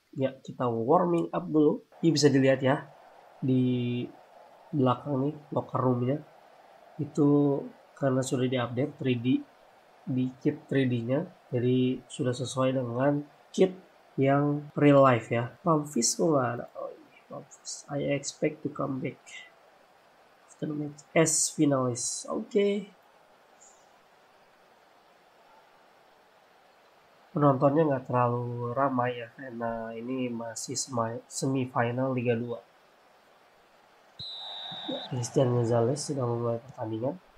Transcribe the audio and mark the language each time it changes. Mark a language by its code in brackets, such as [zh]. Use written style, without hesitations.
[id] Ya, kita warming up dulu. Ini bisa dilihat ya di belakang nih locker roomnya. Itu karena sudah diupdate 3D di kit 3D-nya, jadi sudah sesuai dengan kit yang real life ya. Pamfis kok nggak ada. Oh ini Pamfis. [en] I expect to come back after the match as finalist. [id] Oke. Penontonnya nggak terlalu ramai ya karena ini masih semifinal Liga 2. Ya, Christian Gonzalez sudah memulai pertandingan.